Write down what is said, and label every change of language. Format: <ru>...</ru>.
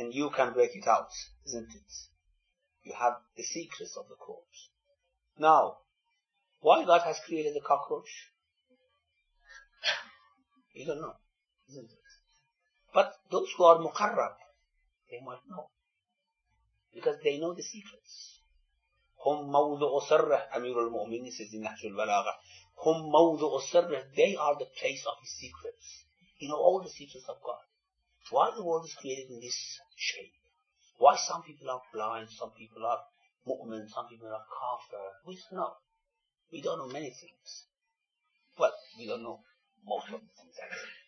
<en>And you can break it out, isn't it? You have the secrets of the court. Now, why God has created the cockroach? You don't know, isn't it? But those who are muqarrab, they might know. Because they know the secrets.</en> <ar>هم موضع سره</ar> <en>أمير المؤمنين says in Nahjul Balagha.</en> <ar>هم موضع سره,</ar> <en>they are the place of his secrets. You know all the secrets of God. Why the world is created in this shape? Why some people are blind, some people are mu'min, some people are kafir? We don't know. We don't know many things. Well, we don't know most of the things actually.</en>